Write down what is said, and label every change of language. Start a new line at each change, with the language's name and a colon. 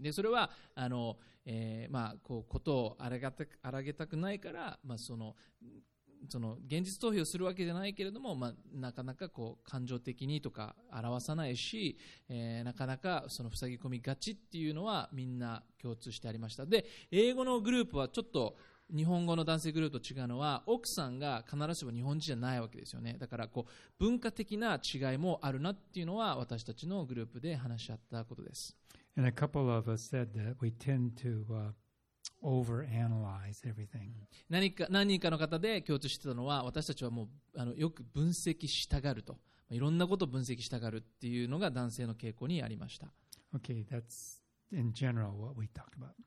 Japanese: でそれはまあ、こうことを荒げたくないから、まあ、その現実逃避をするわけじゃないけれども、まあ、なかなかこう感情的にとか表さないし、なかなかその塞ぎ込みがちっていうのはみんな共通してありました。で英語のグループはちょっと日本語の男性グループと違うのは、奥さんが必ずしも日本人じゃないわけですよね。だからこう文化的な違いもあるなっていうのは私たちのグループで話し合ったことです。
English: And a couple of us said that we tend to overanalyze everything.
Japanese: 何人かの方で共通してたのは、私たちはもうよく分析したがると、いろんなことを分析したがるっていうのが男性の傾向にありました。
English: Okay, that's in general what we talked about.